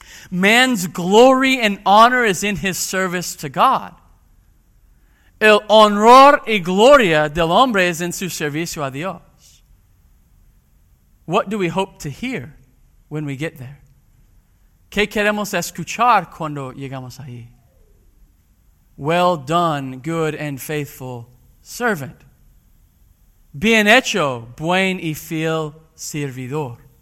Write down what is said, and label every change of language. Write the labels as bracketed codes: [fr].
[en] Man's glory and honor is in his service to God. [es] El honor y gloria del hombre es en su servicio a Dios. [en] What do we hope to hear when we get there? [es] ¿Qué queremos escuchar cuando llegamos ahí? Well done, good and faithful servant. Bien hecho, buen y fiel servidor.